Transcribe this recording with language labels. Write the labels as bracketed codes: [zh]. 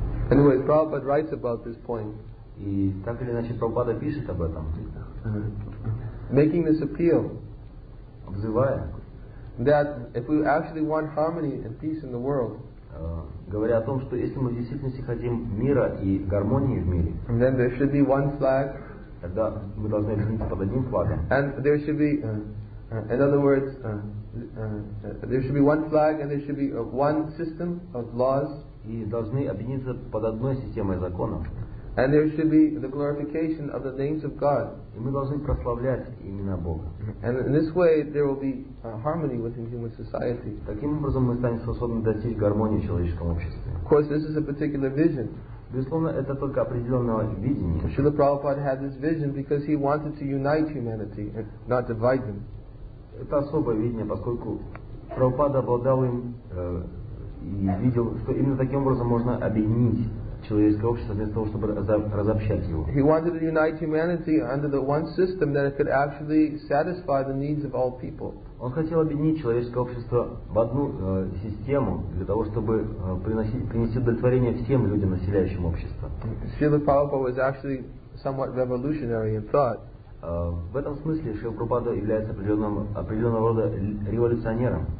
[en] Anyways, Prabhupada writes about this point. [ru] И так или иначе, Прабхупада пишет об этом. [en] Making this appeal, [ru] обзывая, [en] that if we actually want harmony and peace in the world, [ru] говоря о том, что если мы в действительности хотим мира и гармонии в мире, [en] then there should be one flag. [ru] Тогда мы должны объединиться под одним флагом. [en] And there should be, in other words, there should be one flag and there should be one system of laws. [ru] И должны объединиться под одной системой законов. [en] And there should be the glorification of the names of God. [ru] И мы должны прославлять имена Бога. [en] And in this way, there will be harmony within human society. [ru] Таким образом, мы станем способны достичь гармонии в человеческом обществе. [en] Of course, this is a particular vision. [ru] Безусловно, это только определенное видение. [en] Srila Prabhupada had this vision because he wanted to unite humanity and not divide them. [ru] Это особое видение, поскольку Прабхупада обладал им и видел, что именно таким образом можно объединить человеческое общество для того, чтобы разобщать его. [en] He wanted to unite humanity under the one system that it could actually satisfy the needs of all people. [ru] Он хотел объединить человеческое общество в одну систему для того, чтобы принести удовлетворение всем людям, населяющим общество. [en] Srila Prabhupada was actually somewhat revolutionary in thought. [ru] В этом смысле Шрила Прабхупада является определенного рода революционером.